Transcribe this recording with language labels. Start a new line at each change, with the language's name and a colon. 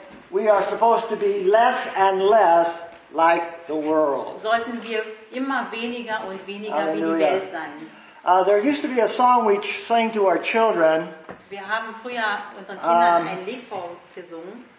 English: we are supposed to be less and less like the world.
German: Sollten wir immer weniger und weniger Halleluja. Wie die Welt sein.
English: There used to be a song we sang to our children.
German: Wir haben früher unseren Kindern ein Lied vorgesungen.